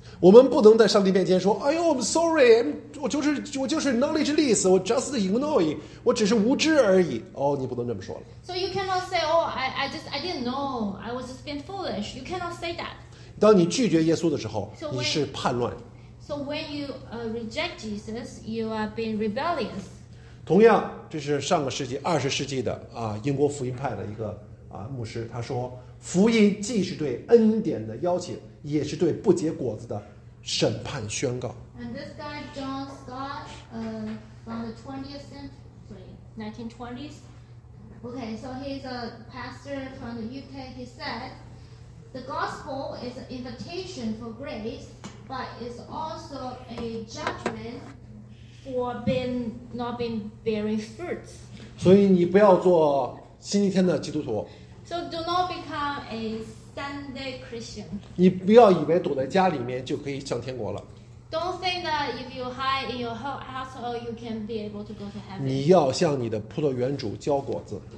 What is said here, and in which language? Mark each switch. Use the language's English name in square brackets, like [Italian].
[Chinese] 我们不能在上帝面前说，哎呦 ， [English] I'm sorry, [Chinese] 我就是 [English] knowledgeless, [Chinese] 我 [English] just ignoring, [Chinese] 我只是无知而已。哦，你不能这么说了。 [English] So you cannot say, oh, I didn't know, I was just being foolish. You cannot say that. [Chinese] 当你拒绝耶稣的时候，你是叛乱。 [English] So when you reject Jesus, you are being rebellious. [Chinese] 同样，这是上个世纪二十世纪的啊，英国福音派的一个啊牧师，他说，福音既是对恩典的邀请，也是对不结果子的审判宣告。 [English] And this guy John Scott, from the 1920s. Okay, so he's a pastor from the UK. He said, the gospel is an invitation for grace. But it's also a judgment for not being bearing fruits. [Chinese] 所以你不要做星期天的基督徒。 [English] So do not become a Sunday Christian. [Chinese] 你不要以为躲在家里面就可以上天国了。 [English] Don't think that if you hide in your household, you can be able to go to heaven. [Chinese] 你要向你的葡萄园主交果子。